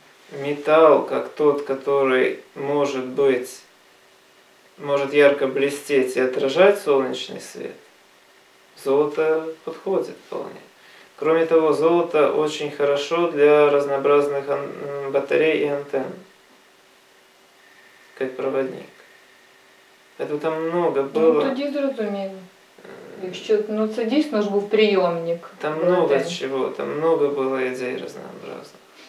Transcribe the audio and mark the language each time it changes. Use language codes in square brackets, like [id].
[ru] Металл, как тот, который может быть, может ярко блестеть и отражать солнечный свет, золото подходит вполне. Кроме того, золото очень хорошо для разнообразных батарей и антенн, как проводник. Это там много было. [uk] Ну, тоді зрозуміло. Якщо, ну, це дійсно ж був прийомник. [ru] Там много чего, там много было идей разнообразных.